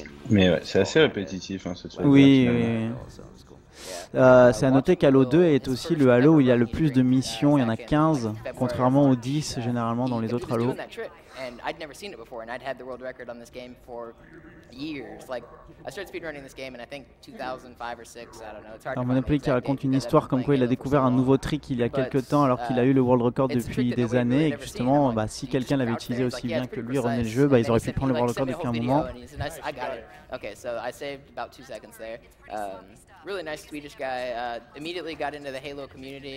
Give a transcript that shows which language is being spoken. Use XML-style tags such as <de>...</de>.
<fr>Mais ouais, c'est assez répétitif hein, cette soirée. Oui, oui. C'est à noter qu'Halo 2 est aussi le Halo où il y a le plus de missions, il y en a 15, contrairement aux 10 généralement dans les autres Halo.</fr> <en>And I'd never seen it before, and I'd had the world record on this game for years. Like, I started speedrunning this game, and I think 2005 or 6, I don't know. It's hard to remember.</en> <fr>Monopoly qui raconte une histoire comme quoi il a découvert un nouveau trick il y a quelques temps, alors qu'il a eu le world record depuis des années. Et justement, bah, si quelqu'un l'avait utilisé aussi bien que lui, remet le jeu, bah, ils auraient pu prendre le world record depuis un moment.</fr> <en>I got it. Okay, so I saved about 2 seconds there. Really nice Swedish guy. Immediately got into the Halo community.</en>